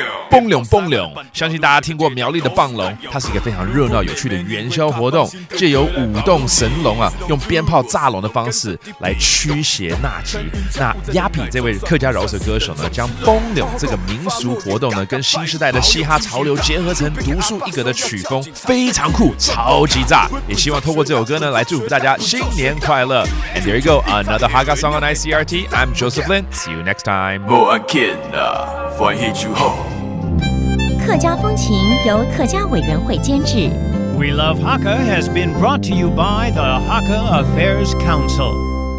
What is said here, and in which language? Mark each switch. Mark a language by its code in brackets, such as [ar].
[zh] 蹦龙蹦龙，相信大家听过苗栗的棒龙，它是一个非常热闹有趣的元宵活动，藉由舞动神龙啊，用鞭炮炸龙的方式来驱邪纳吉。那 Yappy 这位客家饶舌歌手呢，将蹦龙这个民俗活动呢，跟新时代的嘻哈潮流结合成独树一格的曲风，非常酷，超级炸。也希望透过这首歌呢，来祝福大家新年快乐。 [en] And there you go, another Hakka song on ICRT. I'm Joseph Lin. See you next time. More again, find it you home. [zh] 客家风情由客家委员会监制。 [en] We Love Hakka has been brought to you by the Hakka Affairs Council.